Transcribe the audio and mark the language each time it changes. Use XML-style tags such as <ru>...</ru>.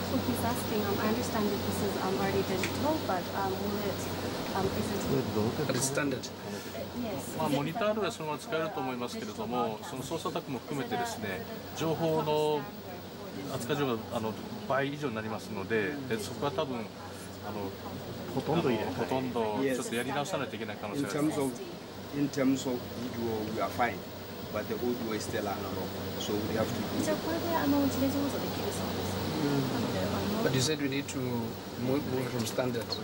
<en>So he's asking, I understand that this is already digital, but will it, is it... It's standard.</en> <ja>まあ、モニターではそのまま使えると思いますけれども、その操作タックも含めてですね、情報の扱い量が倍以上になりますので、でそこは多分ほとんどほとんどちょっとやり直さないといけない可能性があります。</ja> <en>In terms of video, we are fine, but the audio is still analog, so we have to. But you said we need to move from standard.</en>